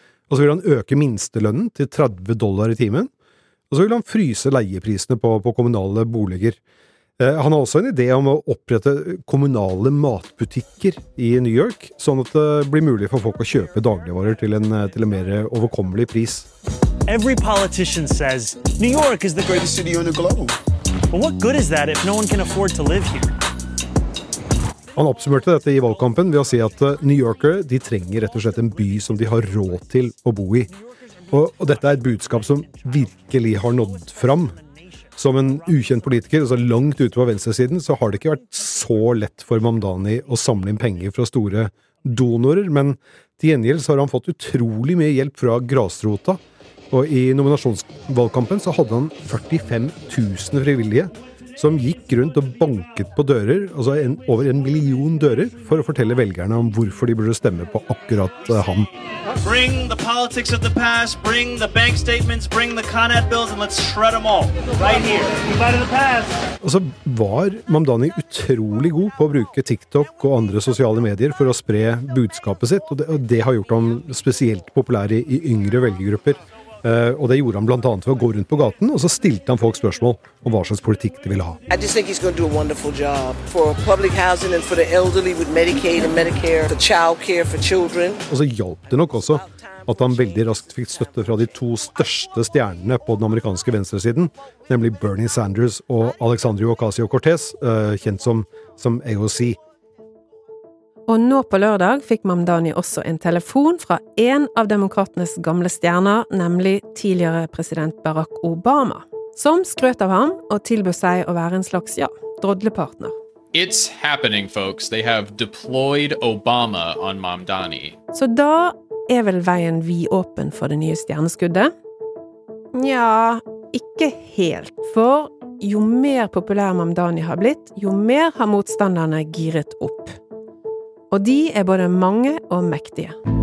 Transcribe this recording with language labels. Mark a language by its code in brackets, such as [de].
[no] Og så vil han øke minstelønnen til $30 i timen, og så vil han fryse leieprisene på kommunale boliger. Han har også en idé om å opprette kommunale matbutikker i New York, sånn at det blir mulig for folk å kjøpe dagligvarer til en mer overkommelig pris. [en] Every politician says New York is the greatest city on the globe. But what good is that if no one can afford to live here? [no] Han oppsummerte dette i valgkampen ved å si at New Yorkere, de trenger rett og slett en by som de har råd til å bo i. Og dette er et budskap som virkelig har nådd fram. Som en ukjent politiker, altså langt ute på venstresiden, så har det ikke vært så lett for Mamdani å samle inn penger fra store donorer, men til gjengjeld så har han fått utrolig mye hjelp fra grasrota. Og i nominasjonsvalgkampen så hadde han 45.000 frivillige som gikk rundt og banket på dører, altså over en million dører, for å fortelle velgerne om hvorfor de burde stemme på akkurat han. [en] Bring the politics of the past, bring the bank statements, bring the Con Ed bills, and let's shred them all, right here. Fight in the past. [no] Og så var Mamdani utrolig god på å bruke TikTok og andre sosiale medier for å spre budskapet sitt, og det har gjort ham spesielt populær i yngre velgergrupper. Og det gjorde han blant annet ved å gå rundt på gaten, og så stilte han folk spørsmål om hva slags politikk de ville ha. [en] I just think he's going to do a wonderful job for public housing and for the elderly with Medicaid and Medicare, for child care for children. [no] Og så hjalp det nok også at han veldig raskt fikk støtte fra de to største stjernene på den amerikanske venstresiden, nemlig Bernie Sanders og Alexandria Ocasio-Cortez, kjent som AOC. Og nå på lørdag fikk Mamdani også en telefon fra en av demokratenes gamle stjerner, nemlig tidligere president Barack Obama, som skrøt av ham og tilbød seg å være en slags, ja, drodlepartner. [en] It's happening, folks. They have deployed Obama on Mamdani. [no] Så da er vel veien vidåpen for det nye stjerneskuddet? Ja, ikke helt, for jo mer populær Mamdani har blitt, jo mer har motstanderne giret opp. Og de er både mange og mektige.